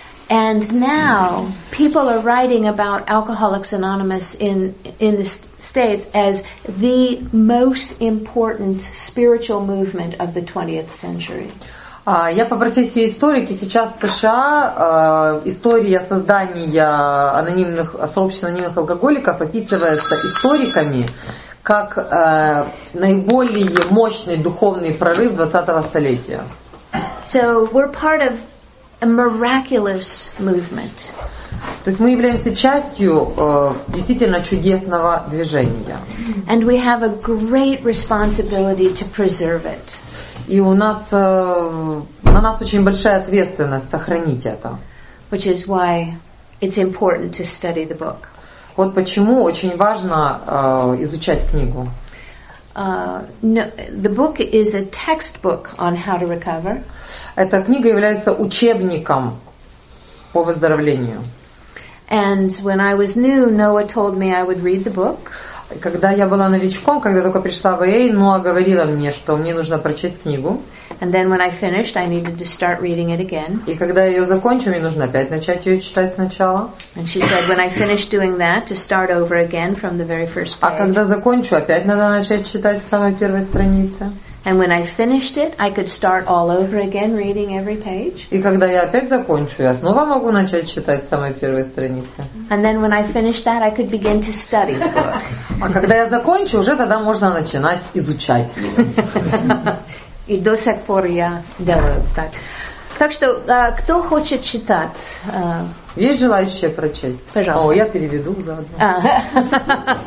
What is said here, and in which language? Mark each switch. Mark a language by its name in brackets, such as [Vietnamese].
[English] And now people are writing about Alcoholics Anonymous in the States as the most important spiritual movement of the 20th century. [Russian] Я по профессии историк, и сейчас в США история создания анонимных сообществ анонимных алкоголиков описывается историками как наиболее мощный духовный прорыв 20-го столетия. [English] So we're part of a miraculous movement. [Russian] То есть мы являемся частью действительно чудесного движения. [English] And we have a great responsibility to preserve it. [Russian] И у нас на нас очень большая ответственность сохранить это. [English] Which is why it's important to study the book. [Russian] Вот почему очень важно изучать книгу. [English] No, the book is a textbook on how to recover. [Russian] Эта книга является учебником по выздоровлению. [English] And when I was new, Noah told me I would read the book. [Russian] Когда я была новичком, когда только пришла в АА, Ноа говорила мне, что мне нужно прочесть книгу. [English] And then when I finished, I needed to start reading it again. [Russian] И когда я ее закончу, мне нужно опять начать ее читать сначала. [English] And she said, when I finish doing that, to start over again from the very first page. [Russian] А когда закончу, опять надо начать читать с самой первой страницы. [English] And when I finished it, I could start all over again, reading every page. [Russian] И когда я опять закончу, я снова могу начать читать с самой первой страницы. [English] And then when I finished that, I could begin to study. [Russian] А когда я закончу, уже тогда можно начинать изучать. И до сих пор я делаю так. Так что, кто хочет читать? Есть желающие прочесть? Пожалуйста. О, я переведу заодно.